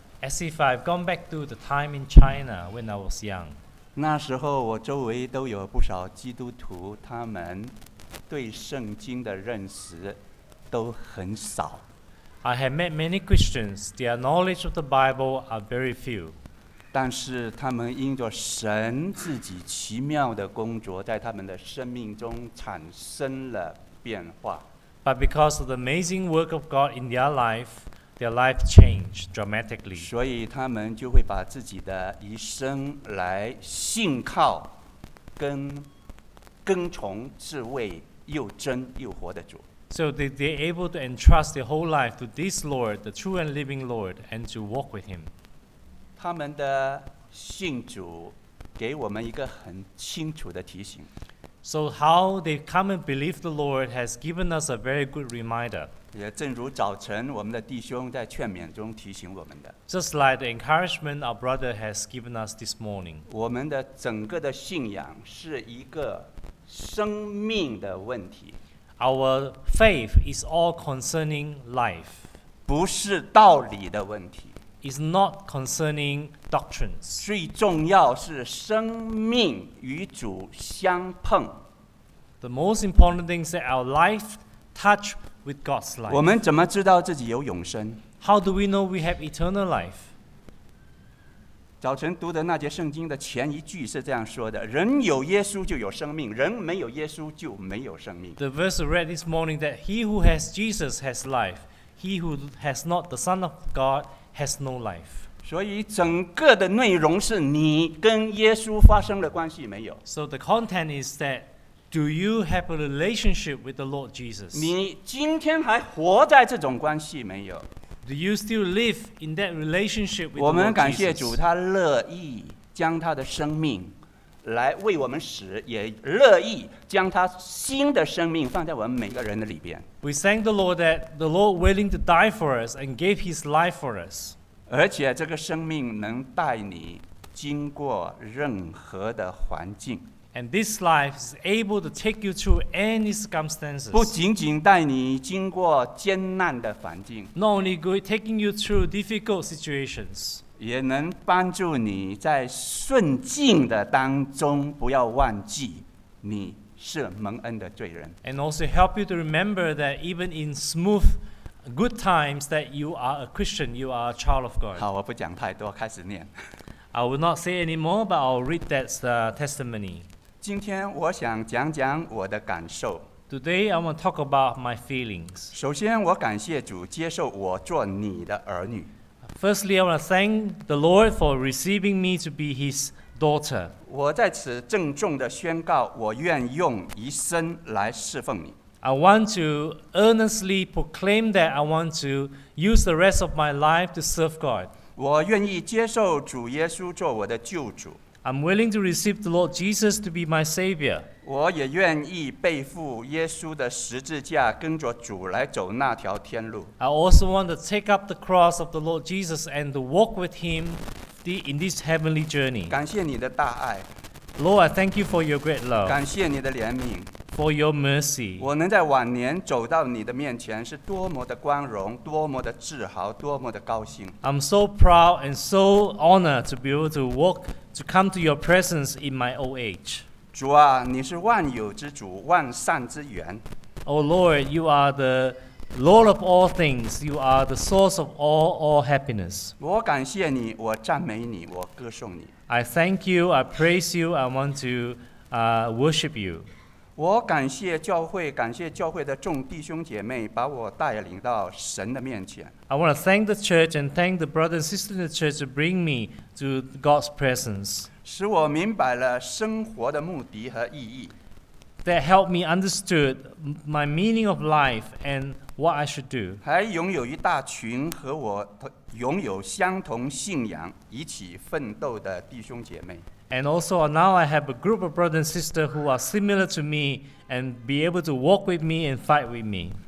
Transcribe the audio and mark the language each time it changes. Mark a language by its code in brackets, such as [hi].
[en] As if I've gone back to the time in China when I was young. [zh] 那时候我周围都有不少基督徒，他们对圣经的认识都很少。 [en] I have met many Christians. Their knowledge of the Bible are very few. [zh] 但是他们因着神自己奇妙的工作，在他们的生命中产生了变化。 [en] But because of the amazing work of God in their life,Their life changed dramatically. [zh] 所以他们就会把自己的一生来信靠跟跟从至为又真又活的主。 [en] So they're able to entrust their whole life to this Lord, the true and living Lord, and to walk with him. [zh] 他们的信主给我们一个很清楚的提醒。 [en] So how they come and believe the Lord has given us a very good reminder. [zh] 也正如早晨我们的弟兄在劝勉中提醒我们的。 [en] Just like the encouragement our brother has given us this morning. [zh] 我们的整个的信仰是一个生命的问题。 [en] Our faith is all concerning life. [zh] 不是道理的问题。 [en] It's not concerning doctrines. [zh] 最重要是生命与主相碰。 [en] The most important thing is that our life touch with God's life. [zh] 我们怎么知道自己有永生？ [en] How do we know we have eternal life? [zh] 早晨读的那节圣经的前一句是这样说的：人有耶稣就有生命，人没有耶稣就没有生命。 [en] The verse read this morning that he who has Jesus has life, he who has not the Son of God has no life. [zh] 所以整个的内容是你跟耶稣发生了关系没有？ [en] So the content is that. Do you have a relationship with the Lord Jesus? [zh] 你今天还活在这种关系没有？ [en] Do you still live in that relationship with the Lord Jesus? [zh] 我们感谢主，他乐意将他的生命来为我们死，也乐意将他新的生命放在我们每个人的里边。 [en] We thank the Lord that the Lord willing to die for us and gave his life for us. [zh] 而且这个生命能带你经过任何的环境。 [en] And this life is able to take you through any circumstances. [zh] 不仅仅带你经过艰难的环境。 [en] Not only good, taking you through difficult situations. [zh] 也能帮助你在顺境的当中不要忘记你是蒙恩的罪人。 [en] And also help you to remember that even in smooth good times that you are a Christian, you are a child of God. [zh] 好，我不讲太多，开始念。 [en] I will not say anymore, but I'll read that testimony. [zh] 今天我想讲讲我的感受。 [en] Today, I want to talk about my feelings. [zh] 首先，我感谢主接受我做你的儿女。 [en] Firstly, I want to thank the Lord for receiving me to be his daughter. [zh] 我在此郑重地宣告，我愿用一生来侍奉你。 [en] I want to earnestly proclaim that I want to use the rest of my life to serve God. [zh] 我愿意接受主耶稣做我的救主。 [en] I'm willing to receive the Lord Jesus to be my Savior. [zh] 我也愿意背负耶稣的十字架，跟着主来走那条天路。 [en] I also want to take up the cross of the Lord Jesus and to walk with him in this heavenly journey. [zh] 感谢你的大爱。 [en] Lord, I thank you for your great love. [zh] 感谢你的怜悯。 [en] For your mercy. [zh] 我能在晚年走到你的面前是多么的光荣，多么的自豪，多么的高兴。 [en] I'm so proud and so honored to be able to walk to come to your presence in my old age. [zh] 主啊，你是万有之主，万善之源。 [en] Oh Lord, you are the Lord of all things. You are the source of all happiness. [zh] 我感谢你，我赞美你，我歌颂你。 [en] I thank you, I praise you, I want to worship you. [zh] 我感谢教会，感谢教会的众弟兄姐妹把我带领到神的面前。 [en] I want to thank the church and thank the brothers and sisters in the church to bring me to God's presence. [zh] 使我明白了生活的目的和意义。 [en] That helped me understood my meaning of life and what I should do. [zh] 还拥有一大群和我拥有相同信仰一起奋斗的弟兄姐妹。 [en] And also now I have a group of brothers and sisters who are similar to me and be able to walk with me and fight with me.